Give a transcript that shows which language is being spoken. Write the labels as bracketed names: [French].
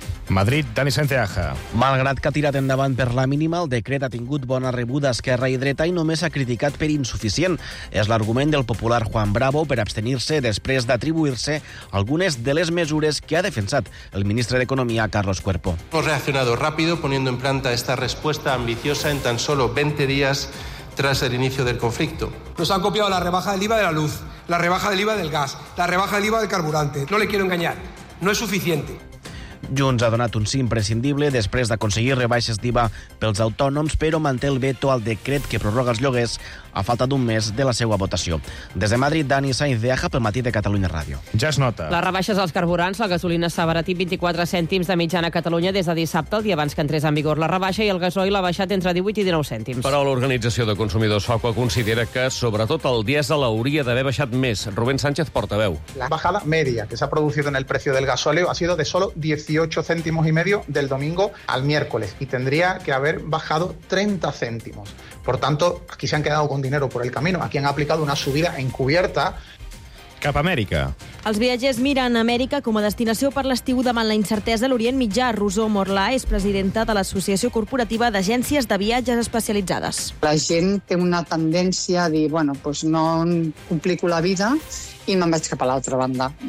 [Catalan] Madrid, Dani Santeaja. Malgrat que ha tirat endavant per la mínima, el decret ha tingut bona rebuda a Esquerra i Dreta i només s'ha criticat per insuficient. És l'argument del popular Juan Bravo per abstenir-se després d'atribuir-se algunes de les mesures que ha defensat el ministre d'Economia, Carlos Cuerpo. [Spanish] Hemos reaccionado rápido poniendo en planta esta respuesta ambiciosa en tan solo 20 días tras el inicio del conflicto. Nos han copiado la rebaja del IVA de la luz, la rebaja del IVA del gas, la rebaja del IVA del carburante. No le quiero engañar, no es suficiente. [Catalan] Junts ha donat un sí imprescindible després d'aconseguir rebaixes d'IVA pels autònoms, però manté el veto al decret que prorroga els lloguers a falta d'un mes de la seva votació. Des de Madrid, Dani Sainz de Aja, pel matí de Catalunya Ràdio. Ja es nota. Les rebaixes als carburants, la gasolina s'ha baratit 24 cèntims de mitjana a Catalunya des de dissabte, el dia abans que entrés en vigor la rebaixa, i el gasoil ha baixat entre 18 i 19 cèntims. Però l'Organització de Consumidors FOCO considera que, sobretot, el dièsel hauria d'haver baixat més. Rubén Sánchez, portaveu. [Spanish] La bajada media que s'ha producido en el precio del gasóleo ha sido de solo 18 céntimos y medio del domingo al miércoles, y tendría que haber bajado 30 céntimos. Por tanto, aquí se han quedado con dinero por el camino. Aquí han aplicado una subida encubierta. [Catalan] Cap a Amèrica. Els viatgers miren Amèrica com a destinació per l'estiu davant la incertesa a l'Orient Mitjà. Rosó Morlà és presidenta de l'Associació Corporativa d'Agències de Viatges Especialitzades. La gent té una tendència a dir, bueno, pues no complico la vida i me'n vaig cap a l'altra banda.